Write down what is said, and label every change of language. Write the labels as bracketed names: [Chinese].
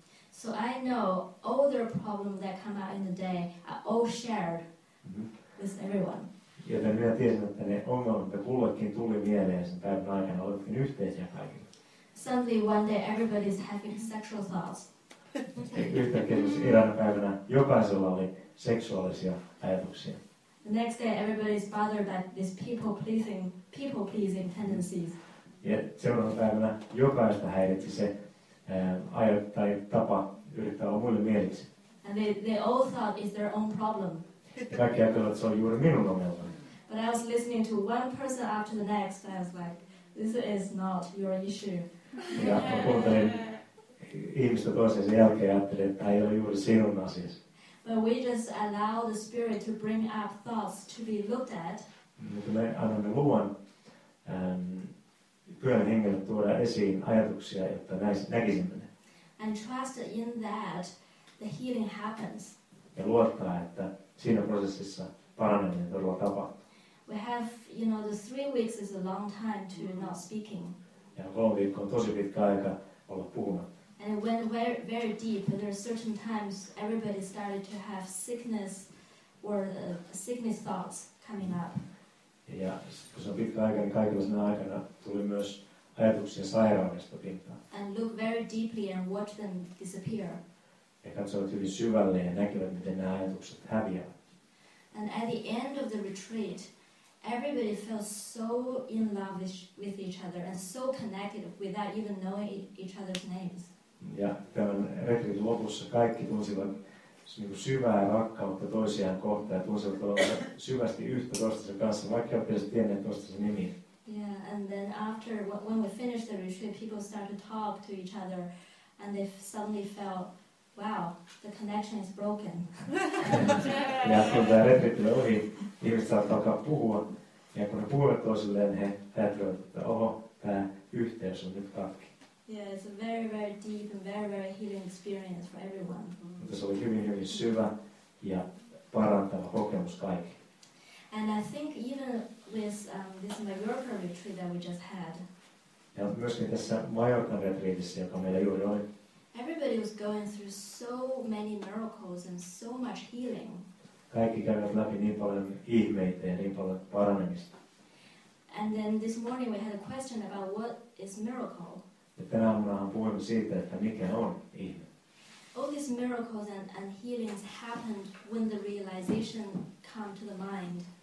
[English] So I know all their problems that come out in the day are all shared with everyone. [Finnish] Joten minä tiesin, että ne ongelmat, että kullekin tuli mieleen sen päivän aikana, olivatkin yhteisiä kaikille. [English] Suddenly one day everybody is having sexual thoughts. [Finnish] Yhtäkkiä eräänä päivänä jokaisella oli seksuaalisia ajatuksia. [English] The next day everybody is bothered by this people pleasing tendencies. [Finnish] Ja seuraavana päivänä jokaista häiritsi se tai tapa yrittää olla muille mieliksi. [English] And they all thought it's their own problem. [Finnish] Ja kaikki ajattelivat, että se on juuri minun ongelmani. [English] But I was listening to one person after the next, and I was like, this is not your issue. [Finnish] Ja kuuntelin ihmistä toisen sen jälkeen ja ajattelin, että tämä ei ole juuri sinun asiasi. [English] But we just allow the spirit to bring up thoughts to be looked at. [Finnish] Mutta me annamme luvan Pyhän Hengelle tuoda esiin ajatuksia, jotta näkisimme ne. [English] And trust in that the healing happens. [Finnish] Ja luottaa, että siinä prosessissa paraneminen todella tapahtuu. [English] We have, you know, the 3 weeks is a long time to not speaking. [Finnish] Ja 3 viikkoa on tosi pitkä aika olla puhumatta. [English] And it went very, very deep, but there are certain times everybody started to have sickness or sickness thoughts coming up. [Finnish] Ja kun se on pitkä aika, niin kaikilla sinä aikana tuli myös ajatuksia sairaudesta pintaan. [English] And look very deeply and watch them disappear. [Finnish] Ja katsovat hyvin syvälle ja näkevät, miten nämä ajatukset häviävät. [English] And at the end of the retreat, everybody felt so in love with each other and so connected without even knowing each other's names. [Finnish] Ja tämän retriitin lopussa kaikki tunsivat syvää rakkautta toisiaan kohtaan ja tunsivat olevan syvästi yhtä toistensa kanssa, vaikka eivät edes tienneet toistensa nimiä. [English] Yeah, and then after, when we finished the retreat, people started to talk to each other and they suddenly felt, wow, the connection is broken. [Finnish] Ja kun tämä retriitti oli ohi, ihmiset saivat alkaa puhua. Ja kun he puhuivat toisilleen, he ajattelivat, että oho, tämä yhteys on nyt katki. [English] Yeah, it's a very, very deep and very, very healing experience for everyone. [Finnish] Mutta se oli hyvin, hyvin syvä ja parantava kokemus kaikille. [English] And I think even with this Mallorca retreat that we just had. [Finnish] Ja myöskin tässä Mallorca retriitissä, joka meillä juuri oli. [English] Everybody was going through so many miracles and so much healing. [Finnish] Kaikki kävivät läpi niin paljon ihmeitä ja niin paljon paranemista. [English] And then this morning we had a question about what is miracle. [Finnish] Ja tänä aamunahan puhuimme siitä, että mikä on ihme. [English] All these miracles and healings happened when the realization come to the mind.